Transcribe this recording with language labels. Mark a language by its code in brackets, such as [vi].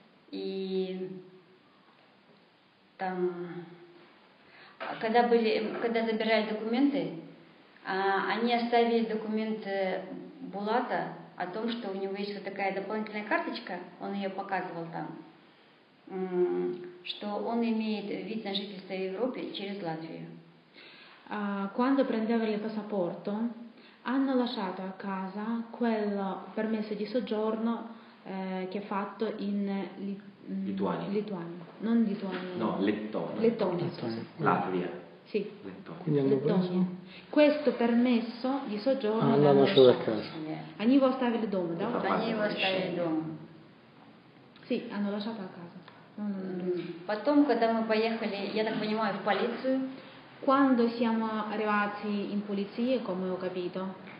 [ru] И там, когда забирали документы, они оставили документы Булата о том, что у него есть вот такая дополнительная карточка, он ее показывал там, что он имеет вид на жительство в Европе через Латвию. [it] Quando prendevano il passaporto, hanno lasciato a casa quel permesso di soggiorno che è fatto in Lituania. Non Lituania. No, Lettonia. Lettonia. Latvia. Sì. Quindi hanno preso? Questo permesso di soggiorno l'ha lasciato a casa. A Nivo stava il dom, da? A Nivo stava il dom. Sì, hanno lasciato a casa. [ru] Потом, когда мы поехали, я так понимаю, в полицию. [it] Quando siamo arrivati in polizia, come ho capito?